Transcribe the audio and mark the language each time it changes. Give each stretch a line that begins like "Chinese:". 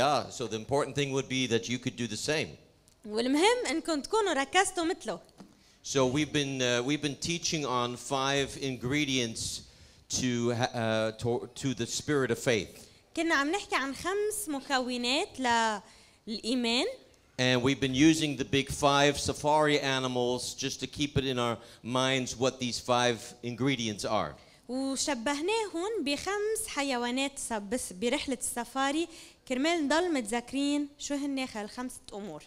English: So the important thing would be that you could do the same.
Arabic: والمهم انكم تكونوا ركزتوا مثله.
English: So we've been teaching on five ingredients to the spirit of faith.
Arabic: كنا عم نحكي عن خمس مكونات للإيمان.
English: And we've been using the big five safari animals just to keep it in our minds what these five ingredients are.
Arabic: وشبهناهن بخمس حيوانات برحلة السفاري كرمال نضل متذكرين شو هن ناخل خمسة أمور.